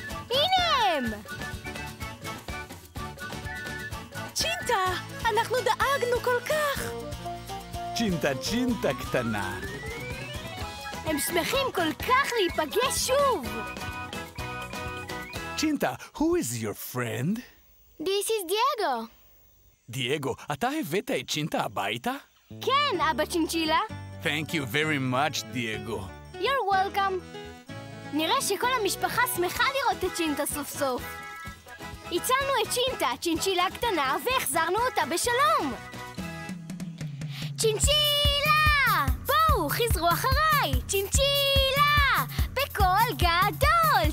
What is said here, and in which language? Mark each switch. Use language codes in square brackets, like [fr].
[he] הנה הם. צ'ינטה, אנחנו דאגנו כל כך. צ'ינטה, צ'ינטה קטנה. הם שמחים כל כך להיפגש שוב. [en] צ'ינטה, who is your friend? This is Diego. [he] Diego, אתה הבאת את צ'ינטה הביתה? כן, אבא צ'ינצ'ילה. [en] Thank you very much, Diego. You're welcome. [he] נראה שכל המשפחה שמחה לראות את צ'ינטה סוף סוף. הצלנו את צ'ינטה, צ'ינצ'ילה הקטנה, והחזרנו אותה בשלום. צ'ינצ'ילה! בואו, חזרו אחריי! צ'ינצ'ילה! בקול גדול!